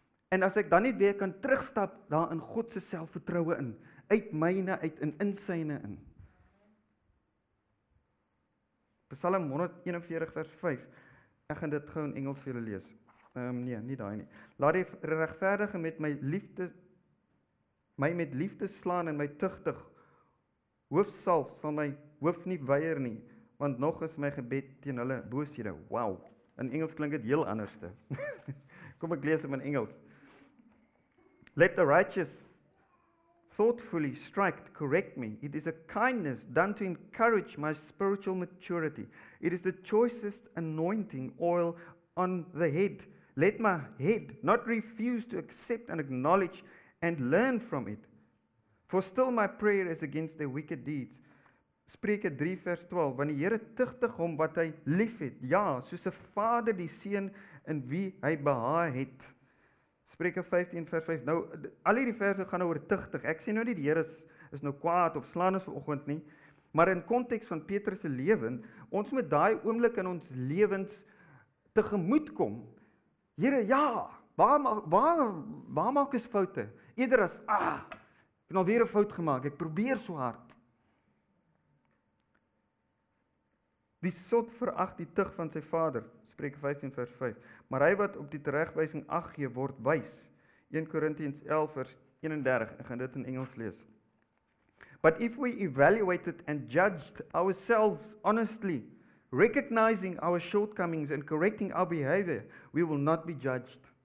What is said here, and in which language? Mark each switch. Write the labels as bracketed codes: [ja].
[af] En as ek dan nie weer kan terugstap daar in God se selfvertroue in, uit myne uit en in syne in. Psalm 141 vers 5. Ek gaan dit gou in Engels vir julle lees. Nie daai nie. Laat die regverdige met my liefde my met liefde slaan en my tugtig. Hoofsalf sal my hoof nie weier nie, want nog is my gebed teen hulle booshede. Wow. In Engels klink dit heel anderste. Kom ek lees hom in Engels. [en] Let the righteous thoughtfully strike to correct me. It is a kindness done to encourage my spiritual maturity. It is the choicest anointing oil on the head. Let my head not refuse to accept and acknowledge and learn from it. For still my prayer is against their wicked deeds. [af] Spreuke 3 vers 12. Want die Here tugtig hom wat hy lief het. Ja, soos 'n vader die seun in wie hy behaag het. Spreuke 15 vers 5, nou, al hierdie verse gaan oor tugtig, ek sê nou nie die Here is nou kwaad of slaan is vanoggend nie, Maar in konteks van Petrus se lewe, ons moet daai oomblik in ons lewens tegemoet kom. Here, ja, waar maak ek foute? Eerder as ek nou weer 'n fout gemaak. Ek probeer so hard. Die sot verag die tug van sy vader, Spreuke 15 vers 5. Maar hy wat op die teregwysing ag gee, word wys. 1 Korintiërs 11 vers 31. Ek gaan dit in Engels lees. [en] But if we evaluated and judged ourselves honestly, recognizing our shortcomings and correcting our behavior, we will not be judged.